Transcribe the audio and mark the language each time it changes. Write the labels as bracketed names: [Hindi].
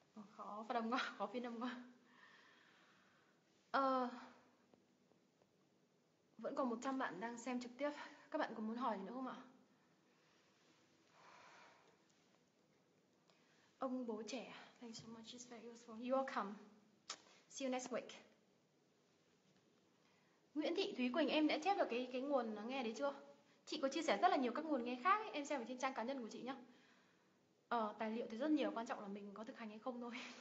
[Vietnamese] Khó phát âm quá, khó phiên âm quá. Vẫn còn 100 bạn đang xem trực tiếp. Các bạn có muốn hỏi gì nữa không ạ? [English] Ông bố trẻ, thank you so much, it's very useful. You're welcome. See you next week. [Vietnamese] Nguyễn Thị Thúy Quỳnh, em đã chép được cái nguồn nghe đấy chưa? Chị có chia sẻ rất là nhiều các nguồn nghe khác ấy. Em xem ở trên trang cá nhân của chị nhá. Tài liệu thì rất nhiều, quan trọng là mình có thực hành hay không thôi.